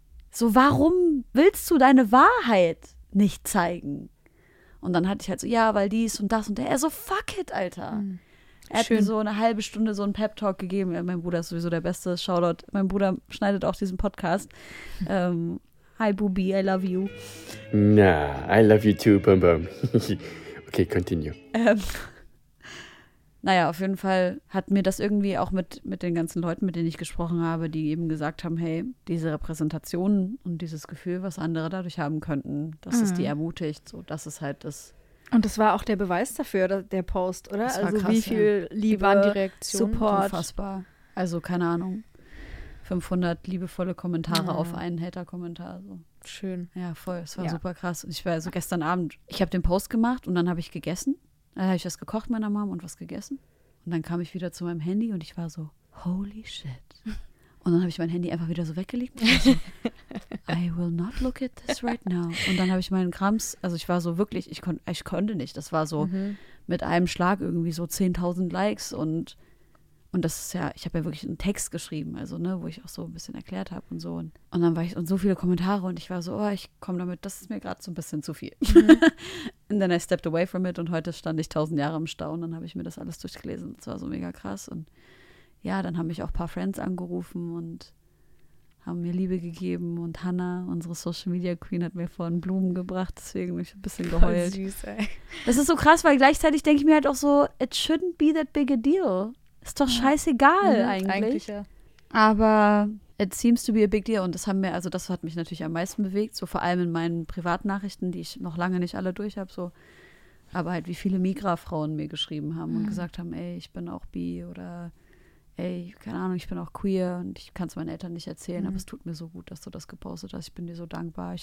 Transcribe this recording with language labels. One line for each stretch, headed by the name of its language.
German: So, warum willst du deine Wahrheit nicht zeigen? Und dann hatte ich halt so, ja, weil dies und das und der. Er so, fuck it, Alter. Er hat mir so eine halbe Stunde so einen Pep-Talk gegeben. Ja, mein Bruder ist sowieso der Beste. Shoutout. Mein Bruder schneidet auch diesen Podcast.
English: Hi, Bubi, I love you. Nah, I love you too, bum bum. Okay, continue.
German: Naja, auf jeden Fall hat mir das irgendwie auch mit den ganzen Leuten, mit denen ich gesprochen habe, die eben gesagt haben, hey, diese Repräsentation und dieses Gefühl, was andere dadurch haben könnten, das ist die ermutigt, so, das ist halt das. Und das war auch der Beweis dafür, der Post, oder? Das also war krass, wie viel Liebe, die waren die Reaktion, Support. Unfassbar. Also keine Ahnung, 500 liebevolle Kommentare auf einen Hater-Kommentar, so. Schön. Ja, voll, es war super krass. Und ich war so gestern Abend, ich habe den Post gemacht und dann habe ich gegessen. Da habe ich was gekocht meiner Mom und was gegessen. Und dann kam ich wieder zu meinem Handy und ich war so, holy shit. Und dann habe ich mein Handy einfach wieder so weggelegt. Und so,
English: I will not look at this right now.
German: Und dann habe ich meinen Krams, also ich war so wirklich, ich konnte nicht. Das war so mit einem Schlag irgendwie so 10.000 Likes. Und das ist ja, ich habe ja wirklich einen Text geschrieben, also ne, wo ich auch so ein bisschen erklärt habe und so. Und dann war ich, und so viele Kommentare und ich war so, oh, ich komme damit, das ist mir gerade so ein bisschen zu viel.
English: And then I stepped away from it
German: und heute stand ich 1.000 Jahre im Stau und dann habe ich mir das alles durchgelesen. Das war so mega krass und ja, dann haben mich auch ein paar Friends angerufen und haben mir Liebe gegeben. Und Hannah, unsere Social Media Queen, hat mir vorhin Blumen gebracht, deswegen bin ich ein bisschen geheult. Voll süß, ey. Das ist so krass, weil gleichzeitig denke ich mir halt auch so,
English: it shouldn't be that big a deal.
German: Ist doch scheißegal eigentlich. Aber
English: it seems to be a big deal.
German: Und das haben mir, also das hat mich natürlich am meisten bewegt, so vor allem in meinen Privatnachrichten, die ich noch lange nicht alle durch habe, so. Aber halt, wie viele Migra-Frauen mir geschrieben haben und gesagt haben, ey, ich bin auch bi oder ey, keine Ahnung, ich bin auch queer und ich kann es meinen Eltern nicht erzählen, aber es tut mir so gut, dass du das gepostet hast. Ich bin dir so dankbar.